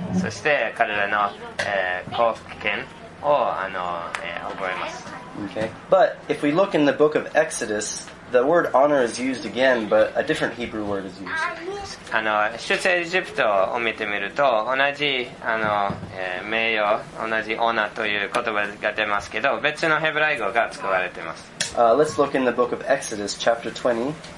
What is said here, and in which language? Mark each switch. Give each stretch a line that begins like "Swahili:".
Japanese: そして彼らの、貢献を、あの、覚えます。
English: Okay. But if we look in the book of Exodus,The word honor is used again, but a different Hebrew word is used.
Japanese: あの、出エジプトを見てみると、同じ、あの、名誉、同じオーナーという言葉が出ますけど、別のヘブライ語が使われています。
English: Let's look in the book of Exodus, chapter 20.